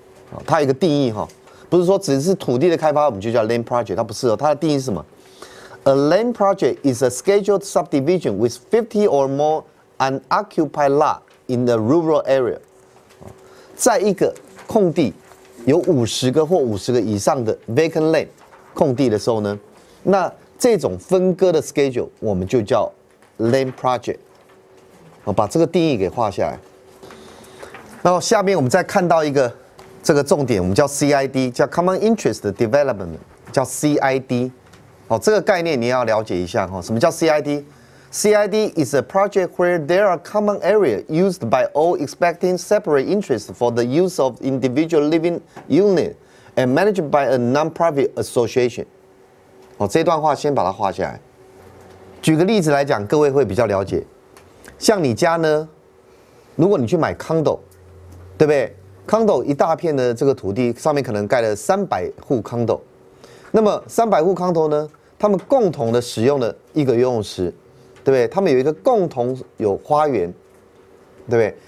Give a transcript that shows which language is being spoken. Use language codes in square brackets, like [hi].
[zh] 哦，它有一个定义哈，不是说只是土地的开发我们就叫 land project， 它不是哦，它的定义是什么 ？ [en] A land project is a scheduled subdivision with 50 or more unoccupied lot in the rural area， [zh] 在一个空地有50个或50个以上的 vacant land 空地的时候呢，那这种分割的 schedule 我们就叫 land project， 把这个定义给画下来。然后下面我们再看到一个这个重点，我们叫 CID， 叫 common interest development， 叫 CID。哦，这个概念你要了解一下哈。什么叫 [en] CID？CID is a project where there are common area used by all expecting separate interest for the use of individual living unit and managed by a non-profit association。 [zh] 哦，这段话先把它画下来。举个例子来讲，各位会比较了解。像你家呢，如果你去买 condo， 对不对 ？condo 一大片的这个土地上面可能盖了300户 condo， 那么300户 condo 呢，他们共同的使用了一个游泳池，对不对？他们有一个共同有花园，对不对？